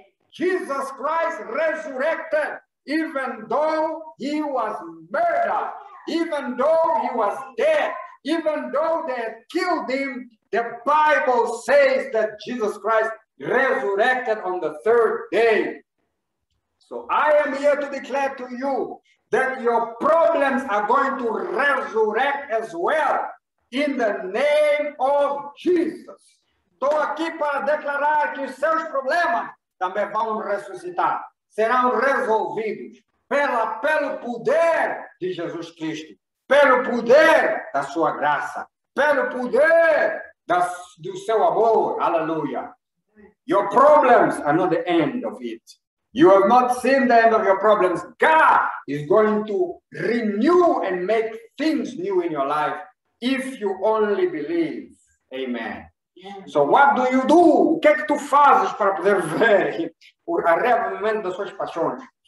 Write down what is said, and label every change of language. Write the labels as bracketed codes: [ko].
[en] Jesus Christ resurrected, even though he was murdered, even though he was dead, even though they had killed him, the Bible says that Jesus Christ resurrected on the third day. So I am here to declare to you that your problems are going to resurrect as well in the name of Jesus. [pt] Estou aqui para declarar que os seus problemas também vão ressuscitar, serão resolvidos pelo poder de Jesus Cristo, pelo poder da sua graça, pelo poder do seu amor. Aleluia. [en] Your problems are not the end of it. You have not seen the end of your problems. God is going to renew and make things new in your life if you only believe. Amen. So what do you do? [pt] O que é que tu fazes para poder ver o arrebatamento das suas paixões?